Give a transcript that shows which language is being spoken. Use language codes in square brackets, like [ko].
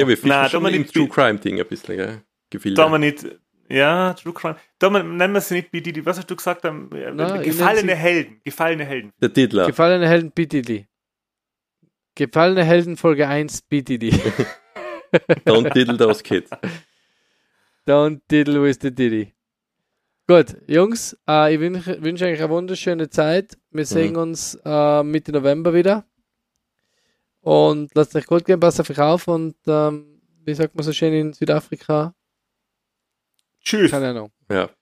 [de] Ja, wir finden schon mal im True Crime-Ding ein bisschen, gell? Gefühlt. Da man nicht. Ja, True Crime. Da man, nennen wir sie nicht P. Diddy. Was hast du gesagt? Gefallene Helden. Gefallene Helden. Der Titler. Gefallene Helden P. Diddy. Gefallene Helden Folge 1 P. Diddy. [en] Don't diddle those kids. Don't diddle with the Diddy. [de] Gut, Jungs, ich wünsche euch eine wunderschöne Zeit. Wir sehen uns Mitte November wieder. Und lasst euch gut gehen, passt auf euch auf und wie sagt man so schön in Südafrika? Tschüss. Keine Ahnung. Ja.